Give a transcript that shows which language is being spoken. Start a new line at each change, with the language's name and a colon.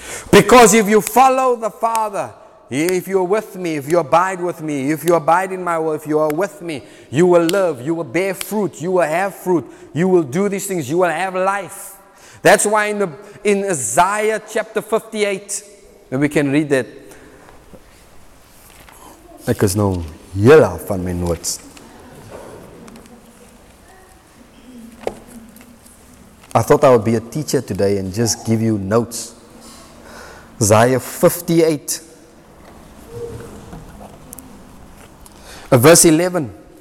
English: Because if you follow the Father, if you're with me, if you abide with me, if you abide in my will, if you are with me, you will live, you will bear fruit, you will have fruit, you will do these things, you will have life. That's why in Isaiah chapter 58, and we can read that.
Afrikaans: Ek is nou heel af van my notes.
English: I thought I would be a teacher today and just give you notes. Isaiah 58. Verse 11.